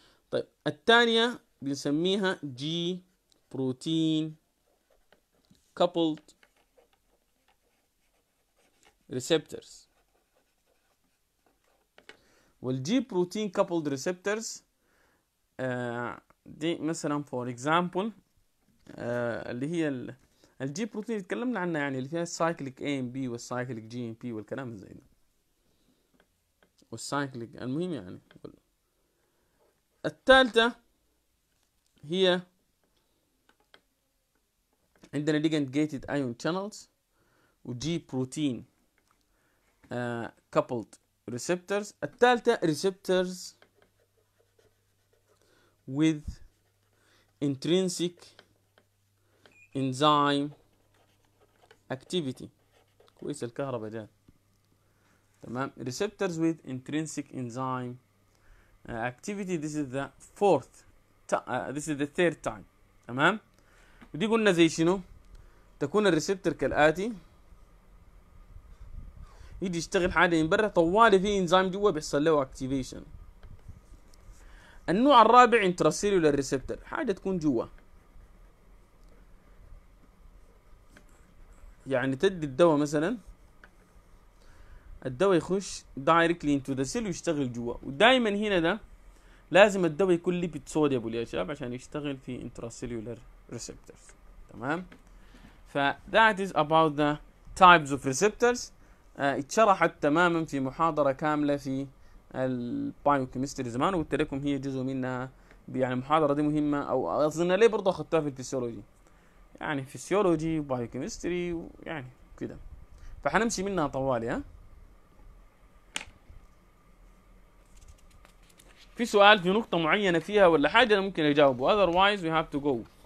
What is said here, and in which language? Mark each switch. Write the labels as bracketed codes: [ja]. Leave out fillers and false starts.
[ar] طيب الثانية بنسميها جي بروتين كابلد ريسبتورز، والجي بروتين كابلد ريسبتورز دي مثلا فور اكزامبل اللي هي الجي بروتين اللي تكلمنا عنها، يعني اللي فيها السايكليك اي ام بي والسايكليك جي ام بي والكلام زي ده والسايكليك. المهم يعني الثالثة هي عندنا ليجند جيتد ايون شانلز وجي بروتين كابلد ريسبتورز. الثالثة ريسبتورز [en] with intrinsic enzyme activity. [ar] كويس الكهرباء جات، تمام. [en] receptors with intrinsic enzyme activity this is the fourth this is the third time، تمام. [ar] ودي قلنا زي شنو؟ تكون الريسبتر كالآتي، يجي يشتغل حاجة من برا طوالي في انزيم جوا بيحصل له activation. النوع الرابع intracellular receptor، حاجة تكون جوا يعني تدي الدواء مثلا، الدواء يخش [en] directly into the cell [ar] ويشتغل جوا. ودائما هنا ده لازم الدواء يكون lipid soluble يا شباب عشان يشتغل في intracellular receptors، تمام. [en] ف that is about the types of receptors. [ar] اتشرحت تماما في محاضرة كاملة في البايوكيمستري زمان، وقلت لكم هي جزء منها يعني المحاضرة دي مهمة، او اظن ليه برضه اخذتها في الفسيولوجي، يعني فيسيولوجي وبايوكيمستري ويعني كده، فحنمشي منها طوالي. ها في سؤال في نقطة معينة فيها ولا حاجة انا ممكن اجاوبه، [en] otherwise we have to go.